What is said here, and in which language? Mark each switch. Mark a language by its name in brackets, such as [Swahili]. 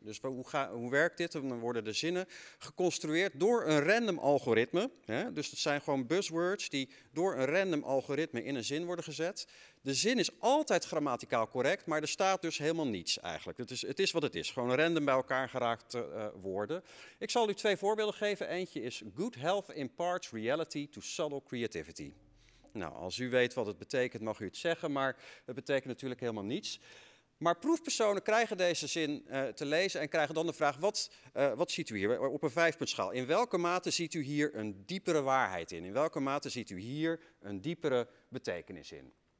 [Dutch] Dus hoe werkt dit? Dan worden de zinnen geconstrueerd door een random algoritme. Hè? Dus dat zijn gewoon buzzwords die door een random algoritme in een zin worden gezet. De zin is altijd grammaticaal correct, maar er staat dus helemaal niets eigenlijk. Het is wat het is, gewoon random bij elkaar geraakt woorden. Ik zal u twee voorbeelden geven. Eentje is [English] good health imparts reality to subtle creativity. [Dutch] Nou, als u weet wat het betekent, mag u het zeggen, maar het betekent natuurlijk helemaal niets. Maar proefpersonen krijgen deze zin te lezen en krijgen dan de vraag, wat ziet u hier op een vijfpuntschaal? In welke mate ziet u hier een diepere waarheid in? In welke mate ziet u hier een diepere betekenis in?